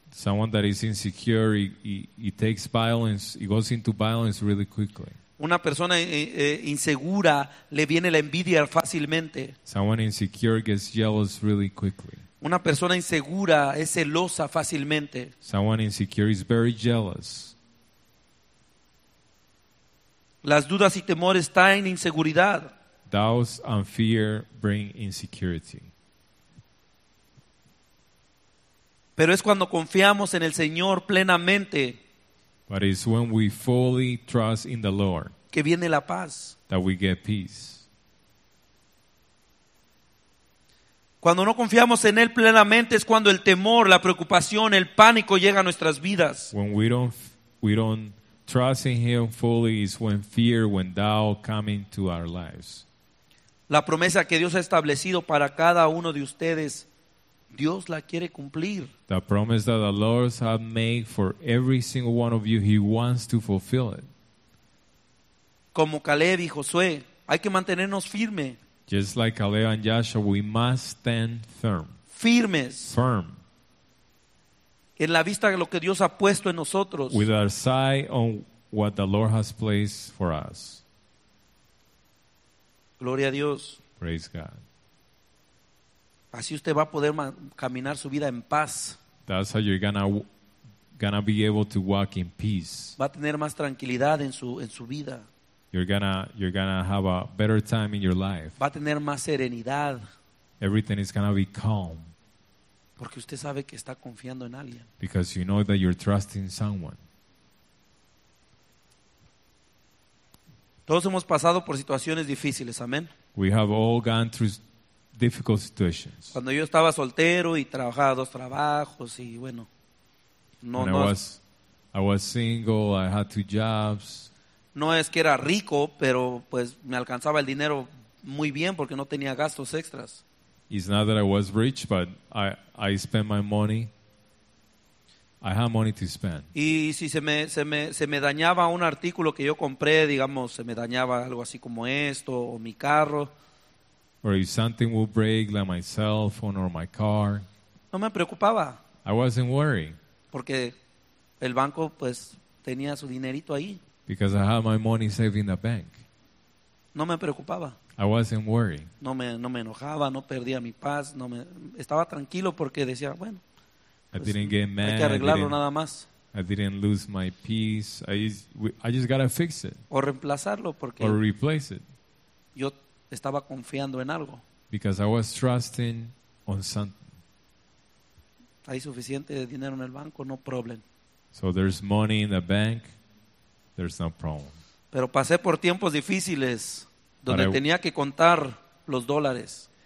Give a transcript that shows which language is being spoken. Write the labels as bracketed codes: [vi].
[en] Someone that is insecure, he takes violence, he goes into violence really quickly. [es] Una persona insegura le viene la envidia fácilmente. [en] Someone insecure gets jealous really quickly. [es] Una persona insegura es celosa fácilmente. [en] Someone insecure is very jealous. [es] Las dudas y temores traen inseguridad. [en] Doubts and fear bring insecurity. [es] Pero es cuando confiamos en el Señor plenamente. [en] But it's when we fully trust in the Lord. [es] Que viene la paz. [en] That we get peace. [es] Cuando no confiamos en Él plenamente es cuando el temor, la preocupación, el pánico llega a nuestras vidas. [en] When we don't trust in Him fully is when fear, when doubt come into our lives. [es] La promesa que Dios ha establecido para cada uno de ustedes, Dios la quiere cumplir. [en] The promise that the Lord has made for every single one of you, He wants to fulfill it. [es] Como Caleb y Josué, hay que mantenernos firmes. [en] Just like Caleb and Joshua, we must stand firm. [es] Firmes. [en] Firm. [es] En la vista de lo que Dios ha puesto en nosotros. [en] With our sight on what the Lord has placed for us. [es] Gloria a Dios. [en] Praise God. [es] Así usted va a poder caminar su vida en paz. [en] That's how you're gonna be able to walk in peace. [es] Va a tener más tranquilidad en su vida. [en] You're gonna have a better time in your life. [es] Va a tener más serenidad. [en] Everything is gonna be calm. [es] Porque usted sabe que está confiando en alguien. [en] Because you know that you're trusting someone. [es] Todos hemos pasado por situaciones difíciles, amén. [en] We have all gone through difficult situations. [es] Cuando yo estaba soltero y trabajaba dos trabajos y bueno, no. [en] When I was single, I had two jobs. [es] No es que era rico, pero pues me alcanzaba el dinero muy bien porque no tenía gastos extras. [en] It's not that I was rich, but I spent my money. I have money to spend. [es] Y si se me dañaba un artículo que yo compré, digamos, se me dañaba algo así como esto o mi carro. [en] Or if something would break, like my cell phone or my car. [es] No me preocupaba. [en] I wasn't worried. [es] Porque el banco pues tenía su dinerito ahí. [en] Because I had my money saved in the bank. [es] No me preocupaba. [en] I wasn't worried. [es] No me enojaba, no perdía mi paz, estaba tranquilo porque decía, bueno, [en] I didn't get mad. [es] Hay que arreglarlo nada más. [en] I didn't lose my peace. I just gotta fix it. [es] O reemplazarlo porque. [en] Or replace it. [es] Yo estaba confiando en algo. [en] Because I was trusting on something. [es] Hay suficiente dinero en el banco, [en] no problem. So there's money in the bank, there's no problem. [es] Pero pasé por tiempos difíciles donde tenía que contar los dólares.